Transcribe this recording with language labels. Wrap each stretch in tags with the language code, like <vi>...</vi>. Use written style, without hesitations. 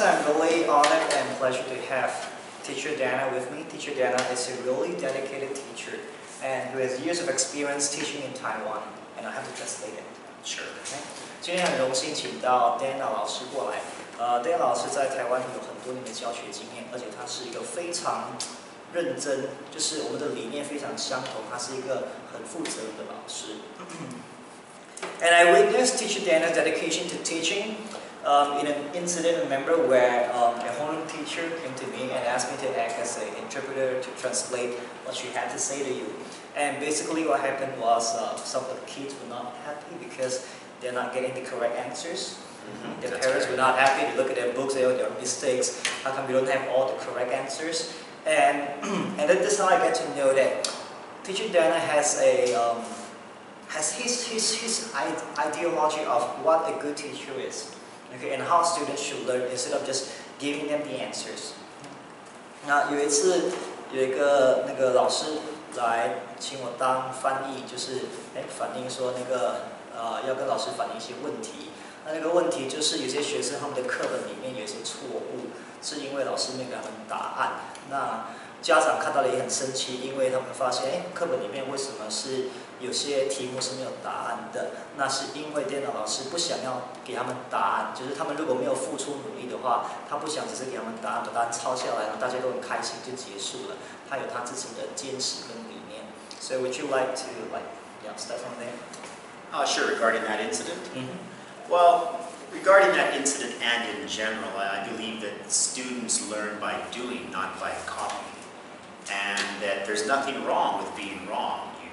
<en>I'm really honored and pleasure to have Teacher Dana with me. Teacher Dana is a really dedicated teacher and who has years of experience teaching in Taiwan, and I have to translate it. Sure. Okay.</en> <zh>今天很荣幸请到 Dana 老师过来。 Dana 老师在台湾有很多年的教学经验，而且他是一个非常认真，就是我们的理念非常相同。他是一个很负责的老师。</zh> <en>And I witnessed Teacher Dana's dedication to teaching in an incident. Remember where a home teacher came to me and asked me to act as an interpreter to translate what she had to say to you. And basically, what happened was some of the kids were not happy because they're not getting the correct answers. Mm-hmm. Their parents were not happy to look at their books, they had their mistakes. How come you don't have all the correct answers? And then this is how I get to know that Teacher Dana has a has his ideology of what a good teacher is, okay, and how students should learn instead of just giving them the answers.</en> <zh>Now, 有一次有一个老师来请我当翻译，就是反映说要跟老师反映一些问题。那个问题就是有些学生他们的课本里面有一些错误，是因为老师没给他们答案。那家长看到了也很生气，因为他们发现课本里面为什么是 有些题目是没有答案的，那是因为电脑老师不想要给他们答案，就是他们如果没有付出努力的话，他不想只是给他们答案，把答案抄下来，然后大家都很开心就结束了。他有他自己的坚持跟理念。</zh> <en>So would you like to start from there? Sure. Regarding that incident. Mm-hmm. Well, regarding that incident and in general, I believe that students learn by doing, not by copying, and that there's nothing wrong with being wrong.</en>